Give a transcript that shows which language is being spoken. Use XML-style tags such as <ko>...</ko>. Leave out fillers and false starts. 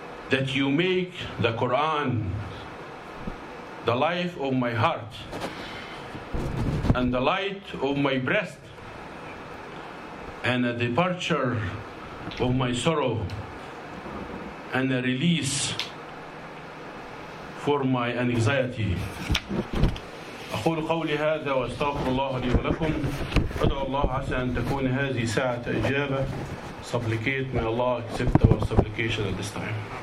<en>that you make the Quran the life of my heart and the light of my breast and a departure of my sorrow and a release for my anxiety.</en> <ar>أقول قولي هذا وأستغفر الله لي ولكم. أدعو الله عسى أن تكون هذه ساعة إجابة.</ar> <en>Supplicate, may Allah accept our supplication at this time.</en>